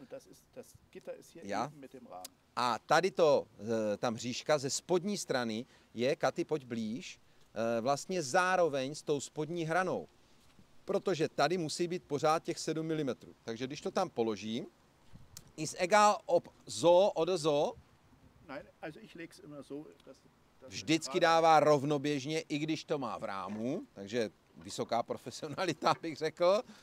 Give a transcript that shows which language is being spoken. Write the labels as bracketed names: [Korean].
[German] Das Gitter ist hier ja? Mit dem Rahm. [Czech] A tady to, ta mřížka ze spodní strany je, Katy, pojď blíž, vlastně zároveň s tou spodní hranou. Protože tady musí být pořád těch 7 mm. Takže když to tam položím, [German] ist egal ob so oder so. Nein, also ich leg's immer so, dass [Czech] vždycky dává rovnoběžně, i když to má v rámu, takže vysoká profesionalita, bych řekl.